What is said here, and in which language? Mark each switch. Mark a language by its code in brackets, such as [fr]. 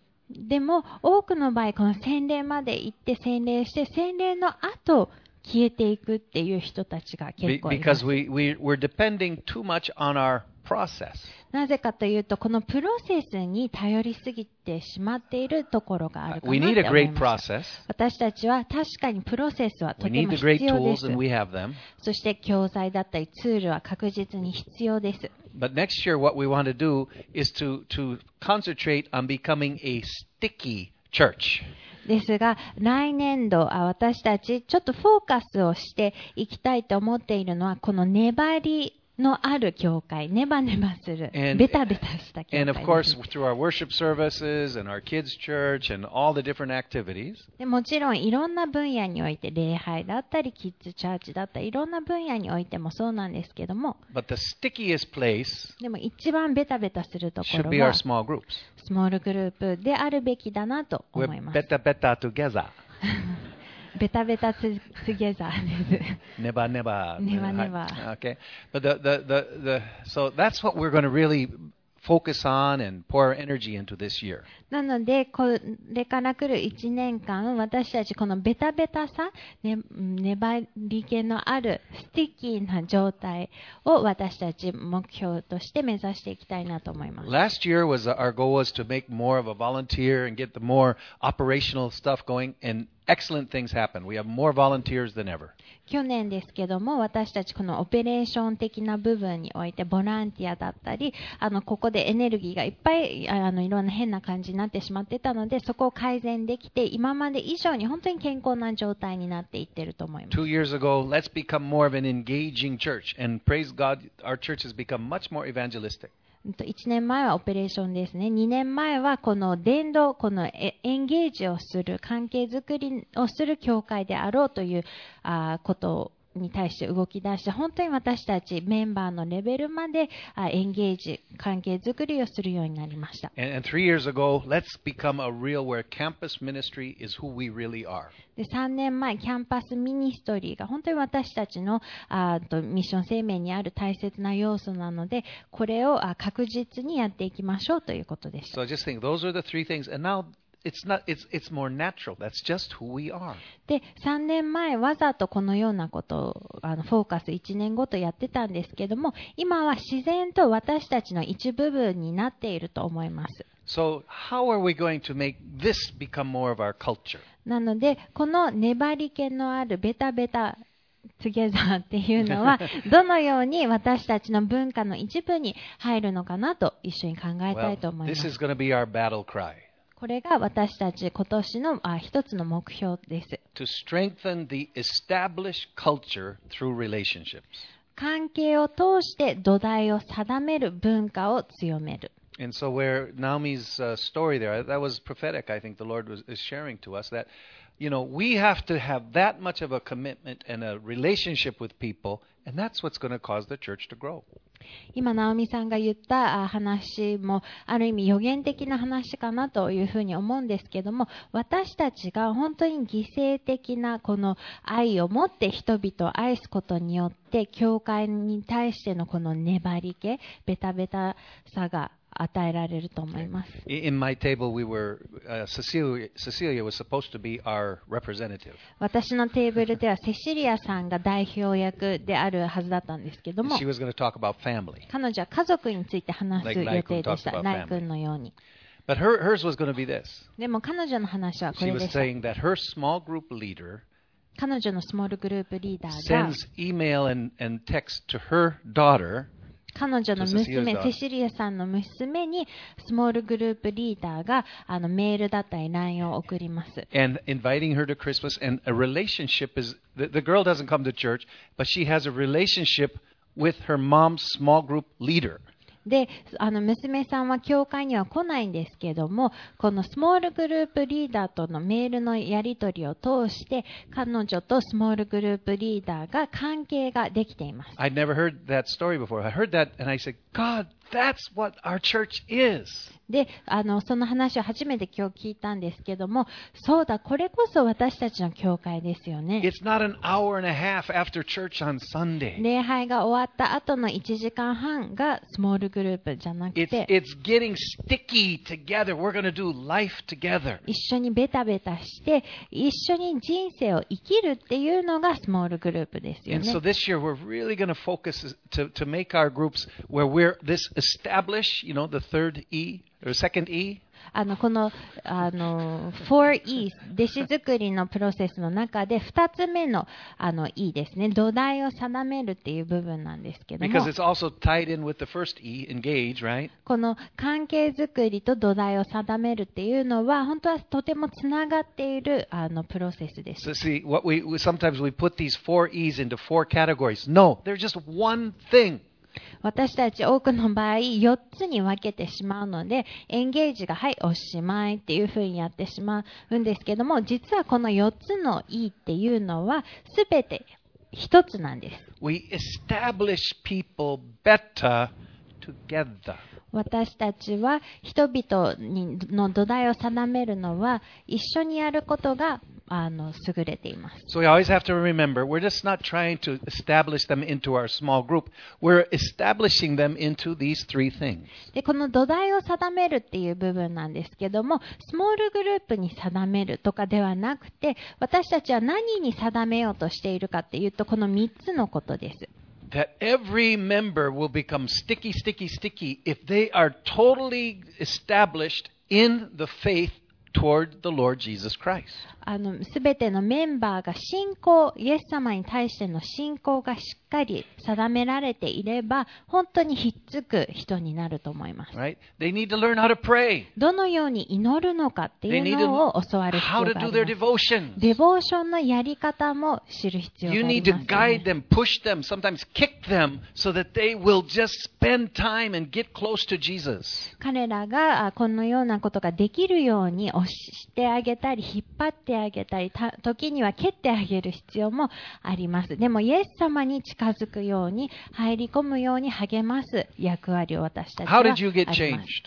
[ja] でも、多くの場合、この洗礼まで行って洗礼して、洗礼の後、消えていくっていう人たちが結構います。 [en] Because we're depending too much on our process. [ja] なぜかというと、このプロセスに頼りすぎてしまっているところがあるかなって思います。 [en] We need a great process. [ja] 私たちは確かにプロセスはとても必要です。 [en] We have them. [ja] そして教材だったりツールは確実に必要です。 [en] But next year what we want to do is to concentrate on becoming a sticky church. [ja] ですが来年度私たちちょっとフォーカスをしていきたいと思っているのはこの粘りのある教会ネバネバするベタベタした教会 [en] and of course through our worship services and our kids church and all the different activities [ja] でもちろんいろんな分野において礼拝だったりキッズチャーチだったりいろんな分野においてもそうなんですけども [en] but the stickiest place [ja] でも一番ベタベタするところは [en] should be our small groups [ja] スモールグループであるべきだなと思います [en] we're beta beta together [ja] ベタベタツツゲザーです。ネバネバ。ネバネバ。 [en] Okay. But the so that's what we're going to really focus on and pour our energy into this year. [ja] なのでこれから来る1年間私たちこのベタベタさ、粘り気のあるスティッキーな状態を私たち目標として目指していきたいなと思います。 [en] Last year was our goal was to make more of a volunteer and get the more operational stuff going andExcellent things happen. We have more volunteers than ever. [ja] 去年ですけども、私たちこのオペレーション的な部分において、ボランティアだったり、ここでエネルギーがいっぱい、いろんな変な感じになってしまってたので、そこを改善できて、今まで以上に本当に健康な状態になっていってると思います。 [en] Two years ago, let's become more of an engaging church. And praise God, our church has become much more evangelistic. [ja] 1年前はオペレーションですね。2年前はこの伝道、このエンゲージをする、関係づくりをする教会であろうという、ことに対して動き出して、本当に私たちメンバーのレベルまで、エンゲージ、関係づくりをするようになりました。 [en] And 3 years ago, let's become a real where campus ministry is who we really are. [ja] で3年前、キャンパスミニストリーが本当に私たちのミッション生命にある大切な要素なので、これを確実にやっていきましょうということでした。 [en] So just think, those are the three things. And now, it's more natural. That's just who we are. [ja] で、3年前、わざとこのようなことをフォーカス1年ごとやってたんですけども、今は自然と私たちの一部分になっていると思います。 [en] So how are we going to make this become more of our culture? [ja] なのでこの粘り気のあるベタベタツゲザーっていうのはどのように私たちの文化の一部に入るのかなと一緒に考えたいと思います。 [en] This is going to be our battle cry. [ja] これが私たち今年の一つの目標です。 [en] To strengthen the established culture through relationships. [ja] 関係を通して土台を定める文化を強める。 [en] And so where Naomi's story there, that was prophetic, I think the Lord is sharing to us that, you know, we have to have that much of a commitment and a relationship with people, and that's what's going to cause the church to grow. [ja] 今ナオミさんが言った話もある意味予言的な話かなというふうに思うんですけども私たちが本当に犠牲的なこの愛を持って人々を愛すことによって教会に対してのこの粘り気ベタベタさが与えられると思います [en] In my table we were, Cecilia was supposed to be our representative. [ja] 私のテーブルではセシリアさんが代表役であるはずだったんですけども [en] She was going to talk about family. [ja] 彼女は家族について話す予定でした。ライ君のように。 [en] But hers was going to be this. [ja] でも彼女の話はこれでした。 [en] She was saying that her small group leader [ja] 彼女のスモールグループリーダーが [en] sends email and text to her daughter, [ja] 彼女の娘セシリアさんの娘にスモールグループリーダーがあのメールだったり LINE を送ります [en] and inviting her to Christmas and a relationship is the girl doesn't come to church but she has a relationship with her mom's small group leader [ja] で、あの娘さんは教会には来ないんですけども、このスモールグループリーダーとのメールのやり取りを通して、彼女とスモールグループリーダーが関係ができています。 [en] I'd never heard that story before. I heard that and I said, God, that's what our church is. [ja] で、あのその話を初めて今日聞いたんですけども、そうだ、これこそ私たちの教会ですよね。 [en] It's not an hour and a half after church on Sunday. [ja] 礼拝が終わった後の1時間半がスモールグループじゃなくて [en] it's getting sticky together. We're gonna do life together. [ja] 一緒にベタベタして一緒に人生を生きるっていうのがスモールグループですよね。 [en] And so this year we're really gonna focus to make our groups where we're this establish, you know, the third E or second E. [ja] あのこの、あの、4E's、弟子作りのプロセスの中で2つ目の、あの、E ですね。土台を定めるっていう部分なんですけども。 [en] Because it's also tied in with the first E, engage, right? [ja] この関係作りと土台を定めるっていうのは、本当はとてもつながっている、あの、プロセスです。 [en] So see, what we, sometimes we put these 4E's into 4 categories. No, they're just one thing. [ja] 私たち多くの場合4つに分けてしまうのでエンゲージがはいおしまいっていう風にやってしまうんですけども実はこの4つの E っていうのは全て1つなんです [en] We establish people better together. [ja] 私たちは人々の土台を定めるのは一緒にやることがあの優れています。 [en] So we always have to remember, we're just not trying to establish them into our small group. We're establishing them into these three things. [ja] で、この土台を定めるっていう部分なんですけども、スモールグループに定めるとかではなくて、私たちは何に定めようとしているかっていうと、この3つのことです。 [en] That every member will become sticky, sticky, sticky if they are totally established in the faith. Toward the Lord Jesus Christ. [ja] あの、すべてのメンバーが信仰、イエス様に対しての信仰がしっかり定められていれば、本当にひっつく人になると思います。 [en] Right? They need to learn how to pray. [ja] どのように祈るのかっていうのを教わる必要があります。 [en] How to do their devotion. [ja] デボーションのやり方も知る必要があります、ね。 [en] You need to guide them, push them, sometimes kick them, so that they will just spend time and get close to Jesus. [ja] 彼らがこのようなことができるように押してあげたり引っ張ってあげたり時には蹴ってあげる必要もあります。でもイエス様に近づくように入り込むように励ます役割を私たちはあります。 [en] How did you get changed?